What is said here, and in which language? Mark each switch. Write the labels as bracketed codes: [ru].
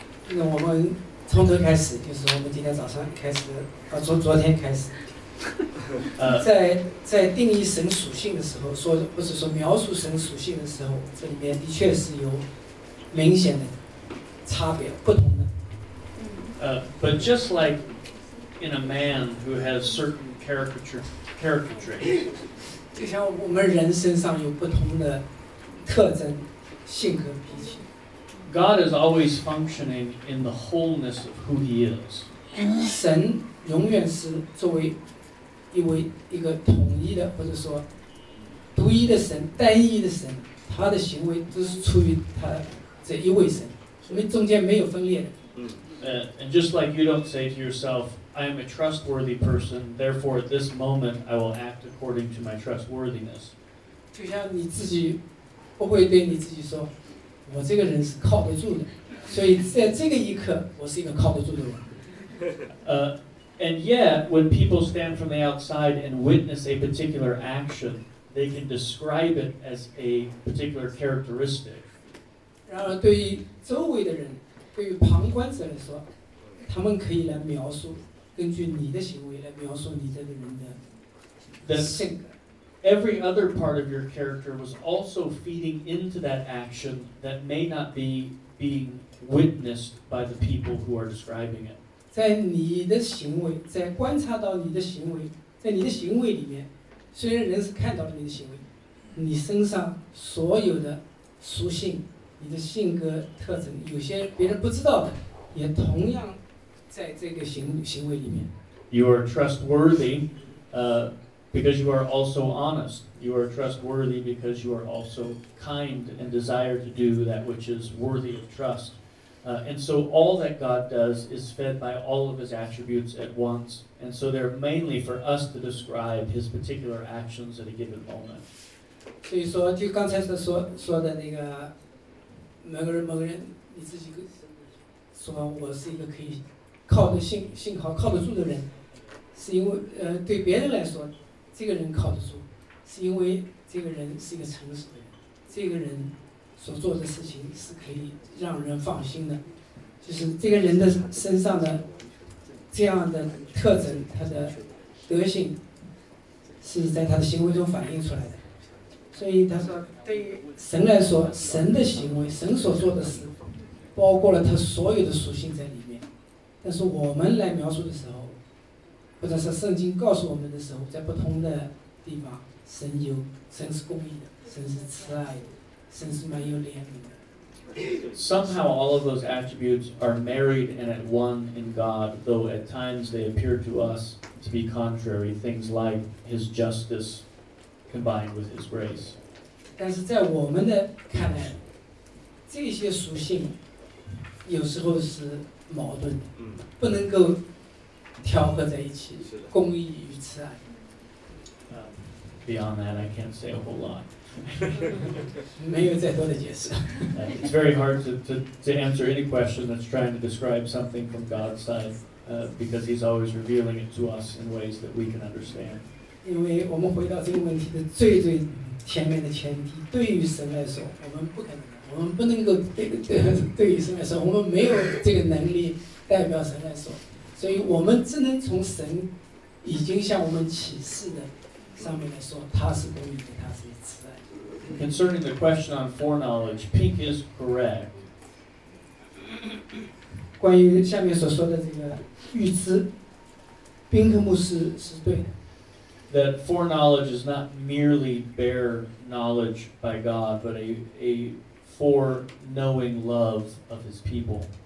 [zh] 那我们从头开始，就是我们今天早上开始，从昨天开始，在定义神属性的时候，说或者说描述神属性的时候，这里面的确是有明显的差别，不同的。 [en] But just like in a man who has certain caricature. [zh] 就像我们人身上有不同的特征、性格、脾气。 [en] God is always functioning in the wholeness of who He is. [zh] 神永远是作为一个统一的，或者说独一的神、单一的神，他的行为都是出于他这一位神，所以中间没有分裂的。 [en] And just like you don't say to yourself. I am a trustworthy person, therefore at this moment I will act according to my trustworthiness. [zh] 就像你自己不会对你自己说，我这个人是靠得住的，所以在这个一刻我是一个靠得住的人。 [en] And yet, when people stand from the outside and witness a particular action, they can describe it as a particular characteristic. [zh] 然而对于周围的人，对于旁观者来说，他们可以来描述，根据你的行为来描述你这个人的性格。 [en] Every other part of your character was also feeding into that action that may not be being witnessed by the people who are describing it. [zh] 在你的行为，在观察到你的行为，在你的行为里面，虽然人是看到了你的行为，你身上所有的属性，你的性格特征，有些别人不知道的，也同样在这个行为里面。 [en] You are trustworthy, because you are also honest. You are trustworthy because you are also kind and desire to do that which is worthy of trust. And so all that God does is fed by all of his attributes at once. And so they're mainly for us to describe his particular actions at a given moment. [zh] 所以说就刚才说的那个某个人你自己说我是一个可以靠得住的人，是因为对别人来说这个人靠得住，是因为这个人是一个诚实的人，这个人所做的事情是可以让人放心的，就是这个人的身上的这样的特征，他的德性是在他的行为中反映出来的。所以他说对于神来说，神的行为，神所做的事包括了他所有的属性在里面，但是我们来描述的时候，或者是圣经告诉我们的时候，在不同的地方，神是公义的，神是慈爱的，神是蛮有怜悯的。 [en] Somehow all of those attributes are married and at one in God, though at times they appear to us to be contrary, things like his justice combined with his grace. [zh] 但是在我们的看来，这些属性有时候是矛盾的，不能够调和在一起，公义与慈爱。 [en] Beyond that, I can't say a whole lot. [zh] 没有再多的解释。 [en] It's very hard to answer any question that's trying to describe something from God's side, because he's always revealing it to us in ways that we can understand. [zh] 因为我们回到这个问题的最最前面的前提，对于神来说，我们不可能，我们不能够对于神来说，我们没有这个能力代表神来说。所以我们只能从神已经向我们启示的上面来说，他是公义的，他是慈爱的。 [en] Concerning the question on foreknowledge, Pink is correct. [zh] 关于下面所说的这个预知，宾克牧师是对的。 [en] That foreknowledge is not merely bare knowledge by God, but a foreknowing love of his people.